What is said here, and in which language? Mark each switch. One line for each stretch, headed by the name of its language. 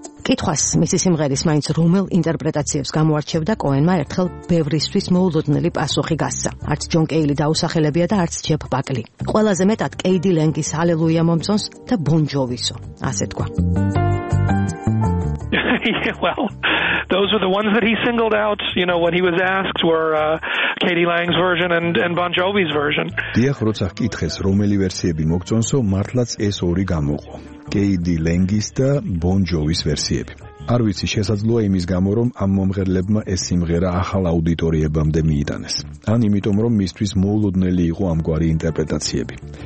Georgian: კითხვას მისი სიმღერის მაინც რომელ ინტერპრეტაციებს გამოარჩევდა კოენმა ერთხელ ბევრისთვის მოულოდნელი პასუხი გასცა. არც ჯონ კეილი დაუსახელებია და არც ჯეფ ბაკლი. ყველაზე მეტად კეიდი ლენგის Halleluja მომწონს და Bon Jovi-სო, ასე თქვა.
English: Yeah, well, those were the ones that he singled out, you know, when he was asked were Katie Lang's version and Bon Jovi's version.
Georgian: დიახ, როცა ჰკითხეს, რომელი ვერსიები მოგწონსო, მართლაც ეს ორი გამოყო. კეიდი ლენგის და Bon Jovi's ვერსიები. არ ვიცი, შესაძლოა იმის გამო, რომ ამ მომღერლებმა ეს სიმღერა ახალ აუდიტორიებამდე მიიტანეს. ან იმიტომ, რომ მისთვის მოულოდნელი იყო ამგვარი ინტერპრეტაციები.